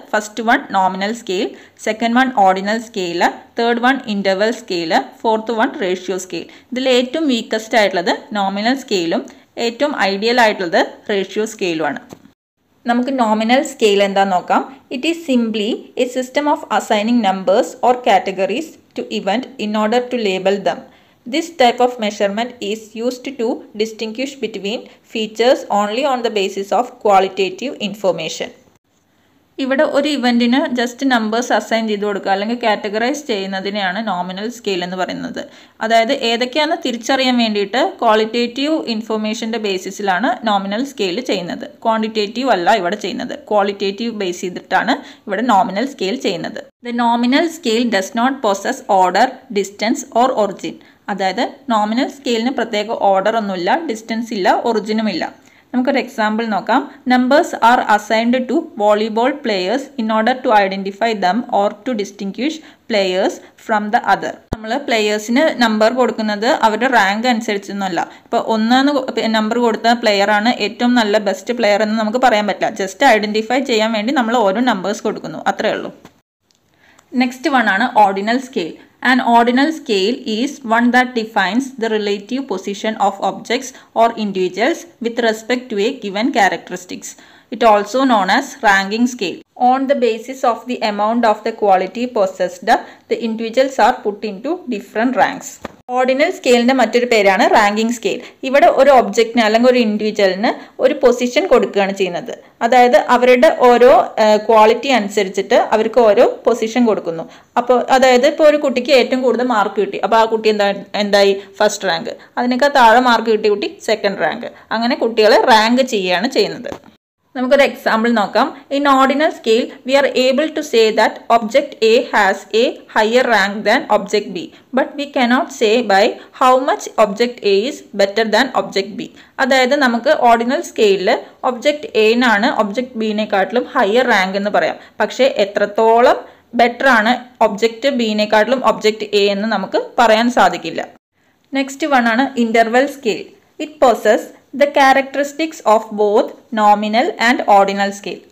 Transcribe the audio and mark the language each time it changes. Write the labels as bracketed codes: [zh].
[en] First one nominal scale, second one ordinal scale, third one interval scale, fourth one ratio scale. [ml] ഇതിൽ ഏറ്റവും weakest ആയിട്ടുള്ളത് nominal സ്കെയിലും ഏറ്റവും ideal ആയിട്ടുള്ളത് ratio സ്കെയിലുമാണ്. നമുക്ക് nominal scale എന്താ നോക്കാം. [en] It is simply a system of assigning numbers or categories to event in order to label them. This type of measurement is used to distinguish between features only on the basis of qualitative information. [ml] ഇവിടെ ഒരു ഇവന്റിന് just numbers assign ചെയ്ത് കൊടുക്കുക അല്ലെങ്കിൽ categorise ചെയ്യുന്നതിനെയാണ് nominal scale എന്ന് പറയുന്നത്. അതായത് ഏതൊക്കെയാണ് തിരിച്ചറിയാൻ വേണ്ടിയിട്ട് ക്വാളിറ്റേറ്റീവ് ഇൻഫർമേഷൻ്റെ ബേസിസിലാണ് നോമിനൽ സ്കെയിൽ ചെയ്യുന്നത്. ക്വാണ്ടിറ്റേറ്റീവ് അല്ല ഇവിടെ ചെയ്യുന്നത്, ക്വാളിറ്റേറ്റീവ് ബേസ് ചെയ്തിട്ടാണ് ഇവിടെ നോമിനൽ സ്കെയിൽ ചെയ്യുന്നത്. [en] The nominal scale does not possess order, distance or origin. [ml] അതായത് നോമിനൽ സ്കെയിലിന് പ്രത്യേക ഓർഡറൊന്നുമില്ല, ഡിസ്റ്റൻസ് ഇല്ല, ഒറിജിനും ഇല്ല. നമുക്കൊരു എക്സാമ്പിൾ നോക്കാം. [en] Numbers are assigned to volleyball players in order to identify them or to distinguish players from the other. [ml] നമ്മൾ പ്ലേയേഴ്സിന് number കൊടുക്കുന്നത് അവരുടെ rank അനുസരിച്ചൊന്നുമല്ല. ഇപ്പോൾ ഒന്നാണ് നമ്പർ കൊടുത്ത പ്ലെയറാണ് ഏറ്റവും നല്ല ബെസ്റ്റ് പ്ലെയർ എന്ന് നമുക്ക് പറയാൻ പറ്റില്ല. ജസ്റ്റ് ഐഡൻറ്റിഫൈ ചെയ്യാൻ വേണ്ടി നമ്മൾ ഓരോ നമ്പേഴ്സ് കൊടുക്കുന്നു, അത്രേ ഉള്ളൂ. നെക്സ്റ്റ് വൺ ആണ് ordinal scale. [en] An ordinal scale is one that defines the relative position of objects or individuals with respect to a given characteristics. It is also known as ranking scale. On the basis of the amount of the quality possessed, the individuals are put into different ranks. [ml] Ordinal സ്കെയിലിൻ്റെ മറ്റൊരു പേരാണ് ranking scale. ഇവിടെ ഒരു ഒബ്ജക്റ്റിന് അല്ലെങ്കിൽ ഒരു ഇൻഡിവിജ്വലിന് ഒരു position കൊടുക്കുകയാണ് ചെയ്യുന്നത്. അതായത് അവരുടെ ഓരോ ക്വാളിറ്റി അനുസരിച്ചിട്ട് അവർക്ക് ഓരോ പൊസിഷൻ കൊടുക്കുന്നു. അപ്പോൾ അതായത് ഇപ്പോൾ ഒരു കുട്ടിക്ക് ഏറ്റവും കൂടുതൽ മാർക്ക് കിട്ടി, അപ്പോൾ ആ കുട്ടി എന്തായി ഫസ്റ്റ് റാങ്ക്. അതിനേക്കാൾ താഴെ മാർക്ക് കിട്ടിയ കുട്ടി സെക്കൻഡ് റാങ്ക്. അങ്ങനെ കുട്ടികളെ റാങ്ക് ചെയ്യുകയാണ് ചെയ്യുന്നത്. നമുക്കൊരു എക്സാമ്പിൾ നോക്കാം. [en] In ordinal scale we are able to say that object A has a higher rank than object B, but we cannot say by how much object A is better than object B. [ml] അതായത് നമുക്ക് ordinal സ്കെയിലിൽ object എനാണ് object ബീനെക്കാട്ടിലും higher rank എന്ന് പറയാം. പക്ഷേ എത്രത്തോളം better ആണ് object ബീനെക്കാട്ടിലും object A എന്ന് നമുക്ക് പറയാൻ സാധിക്കില്ല. നെക്സ്റ്റ് വൺ ആണ് interval scale. [en] It possess the characteristics of both nominal and ordinal scale.